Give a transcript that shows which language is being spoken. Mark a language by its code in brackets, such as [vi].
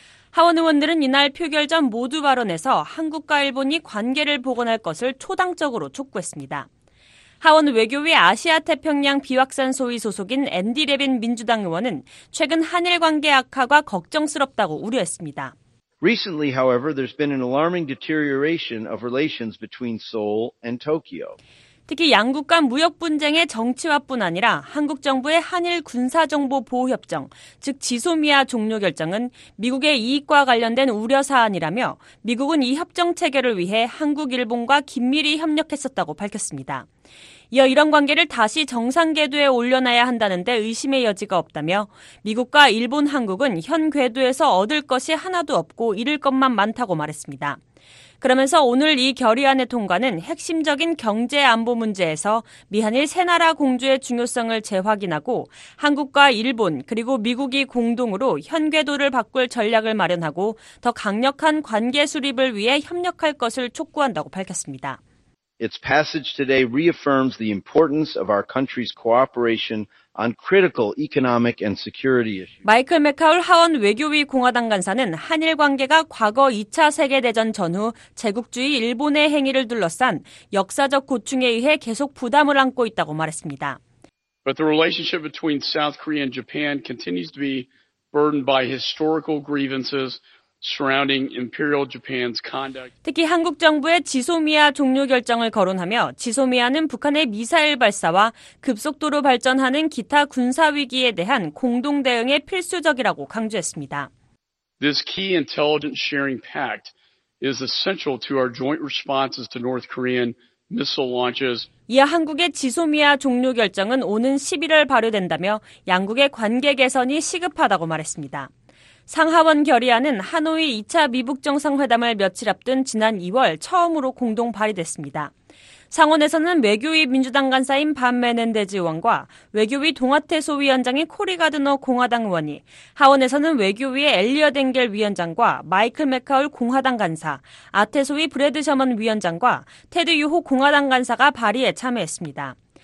[ko] 하원 의원들은 이날 표결 전 모두 발언에서 한국과 일본이 관계를 복원할 것을 초당적으로 촉구했습니다. 하원 외교위 아시아태평양 비확산 소위 소속인 앤디 레빈 민주당 의원은 최근 한일 관계 악화가 걱정스럽다고 우려했습니다. [en] Recently, however, there's been an alarming deterioration of relations between Seoul and Tokyo. [ko] 특히 양국 간 무역 분쟁의 정치화뿐 아니라 한국 정부의 한일 군사정보보호협정, 즉 지소미아 종료 결정은 미국의 이익과 관련된 우려 사안이라며 미국은 이 협정 체결을 위해 한국, 일본과 긴밀히 협력했었다고 밝혔습니다. 이어 이런 관계를 다시 정상 궤도에 올려놔야 한다는데 의심의 여지가 없다며 미국과 일본, 한국은 현 궤도에서 얻을 것이 하나도 없고 잃을 것만 많다고 말했습니다. 그러면서 오늘 이 결의안의 통과는 핵심적인 경제 안보 문제에서 미한일 세 나라 공조의 중요성을 재확인하고 한국과 일본 그리고 미국이 공동으로 현궤도를 바꿀 전략을 마련하고 더 강력한 관계 수립을 위해 협력할 것을 촉구한다고 밝혔습니다. [en] Its passage today reaffirms the importance of our country's cooperation on critical economic and security issues. [ko] 마이클 맥하울 하원 외교위 공화당 간사는 한일 관계가 과거 2차 세계대전 전후 제국주의 일본의 행위를 둘러싼 역사적 고충에 의해 계속 부담을 안고 있다고 말했습니다. [en] But the relationship between South Korea and Japan continues to be burdened by historical grievances. Surrounding Imperial Japan's conduct. [ko] 특히 한국 정부의 지소미아 종료 결정을 거론하며 지소미아는 북한의 미사일 발사와 급속도로 발전하는 기타 군사 위기에 대한 공동 대응에 필수적이라고 강조했습니다. [en] This key intelligence sharing pact is essential to our joint responses to North Korean missile launches. [ko] 이어 한국의 지소미아 종료 결정은 오는 11월 발효된다며 양국의 관계 개선이 시급하다고 말했습니다. 상하원 결의안은 하노이 2차 미북 정상회담을 며칠 앞둔 지난 2월 처음으로 공동 발의됐습니다. 상원에서는 외교위 민주당 간사인 밤 메넨데즈 의원과 외교위 동아태 소위원장인 코리 가드너 공화당 의원이 하원에서는 외교위의 엘리어 댕겔 위원장과 마이클 맥하울 공화당 간사, 아태 소위 브래드 셔먼 위원장과 테드 유호 공화당 간사가 발의에 참여했습니다.